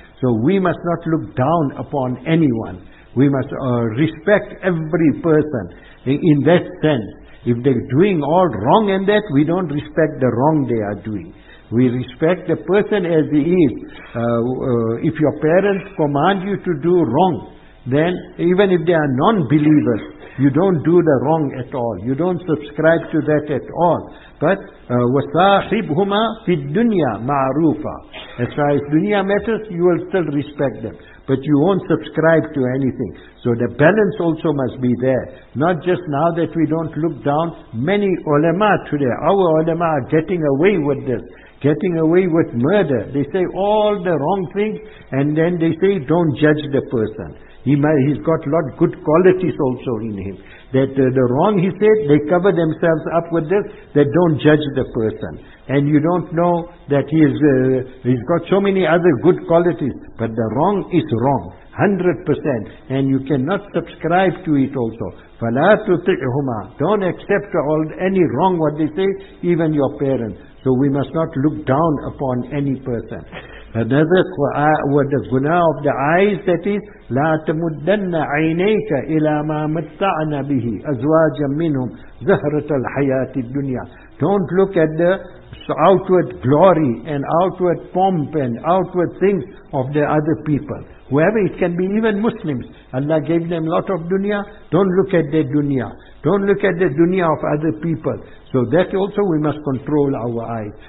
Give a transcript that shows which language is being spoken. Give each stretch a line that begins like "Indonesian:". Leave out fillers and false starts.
English: So we must not look down upon anyone. We must respect every person in that sense. If they're doing all wrong and that, we don't respect the wrong they are doing. We respect the person as he is. If your parents command you to do wrong, then even if they are non-believers, you don't do the wrong at all. You don't subscribe to that at all.
Arabic: But وَصَاحِبْهُمَا فِي الدُّنْيَا مَعْرُوفًا.
English: As far as dunya matters, you will still respect them. But you won't subscribe to anything. So the balance also must be there. Not just now that we don't look down. Many ulama today, our ulama are getting away with this. Getting away with murder. They say all the wrong things and then they say don't judge the person. He's got a lot of good qualities also in him. That the wrong he said, they cover themselves up with this, that don't judge the person. And you don't know that he's got so many other good qualities, but the wrong is wrong, 100%. And you cannot subscribe to it also.
Arabic: فَلَا تُطِعْهُمَا.
English: Don't accept any wrong what they say, even your parents. So we must not look down upon any person. Another word, the guna of the eyes, that is,
Arabic: لَا تَمُدَّنَّ عَيْنَيْكَ إِلَى مَا مَتَّعْنَا بِهِ أَزْوَاجًا مِّنْهُمْ زَهْرَةَ الْحَيَاةِ الدُّنْيَا.
English: Don't look at the outward glory and outward pomp and outward things of the other people. Whoever it can be, even Muslims, Allah gave them a lot of dunya, don't look at their dunya. Don't look at the dunya of other people. So that also we must control our eyes.